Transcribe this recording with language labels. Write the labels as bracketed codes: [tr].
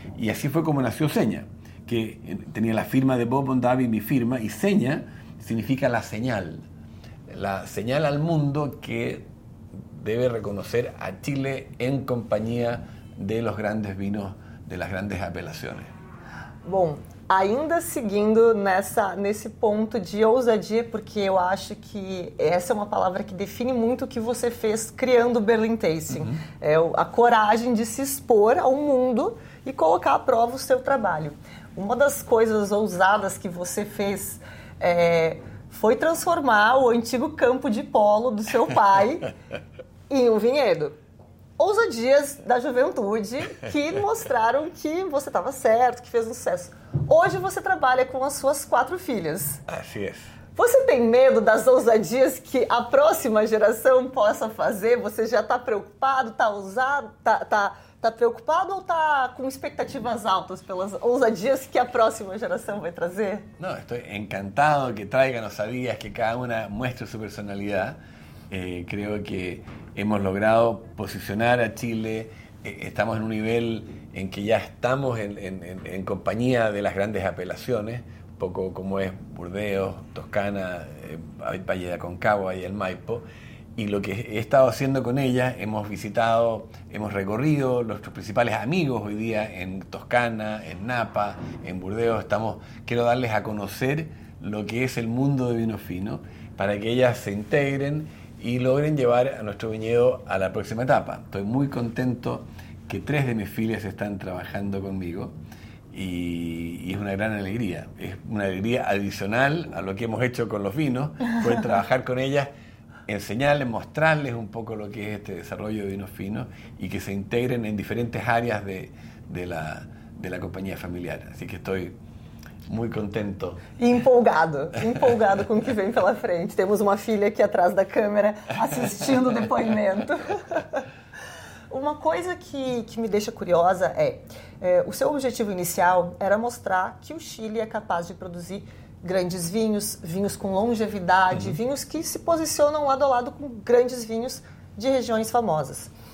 [es] Y así fue como nació Seña, que tenía la firma de Bob Mondavi y mi firma. Y Seña significa la señal. La señal al mundo que debe reconocer a Chile en compañía de los grandes vinos de las grandes apelaciones. [pt] Bom, ainda seguindo nesse ponto de ousadia, porque eu acho que essa é uma palavra que define muito o que você fez criando o Berlin Tasting. Uhum. É a coragem de se expor ao mundo e colocar à prova o seu trabalho. Uma das coisas ousadas que você fez foi transformar o antigo campo de polo do seu pai em um vinhedo. ousadias da juventude que mostraram que você estava certo, que fez um sucesso. Hoje você trabalha com as suas 4 filhas. Assim é. Você tem medo das ousadias que a próxima geração possa fazer? Você já está preocupado, está ousado, tá preocupado ou está com expectativas altas pelas ousadias que a próxima geração vai trazer? Não, estou encantado que traigam ousadias, que cada uma mostre sua personalidade. [es] Creo que hemos logrado posicionar a Chile, estamos en un nivel en que ya estamos en compañía de las grandes apelaciones, poco como es Burdeos, Toscana, Valle de Aconcagua y el Maipo, y lo que he estado haciendo con ellas, hemos visitado, hemos recorrido nuestros principales amigos hoy día en Toscana, en Napa, en Burdeos, quiero darles a conocer lo que es el mundo de vino fino para que ellas se integren y logren llevar a nuestro viñedo a la próxima etapa. Estoy muy contento que 3 de mis filias están trabajando conmigo y es una gran alegría. Es una alegría adicional a lo que hemos hecho con los vinos, fue trabajar con ellas, enseñarles, mostrarles un poco lo que es este desarrollo de vinos finos y que se integren en diferentes áreas de la compañía familiar. Así que estoy muito contento. [pt] E empolgado com o que vem pela frente. Temos uma filha aqui atrás da câmera assistindo o depoimento. Uma coisa que me deixa curiosa é, o seu objetivo inicial era mostrar que o Chile é capaz de produzir grandes vinhos, vinhos com longevidade, vinhos que se posicionam lado a lado com grandes vinhos de regiões famosas.